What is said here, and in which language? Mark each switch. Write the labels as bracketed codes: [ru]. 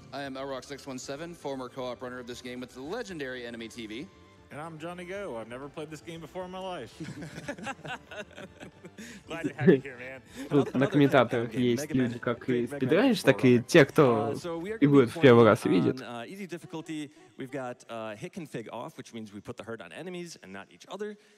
[en] I am LROC617, former co-op runner of this game with the legendary Enemy TV. And I'm Johnny Go. I've never played this game before in my life. Glad to have you here, man. [ru] Тут на комментаторах есть люди, как и спидранишь, так и те, кто и будет в первый раз видит. [en] Easy difficulty. We've got hit config off, which means we put the hurt on enemies and not each other.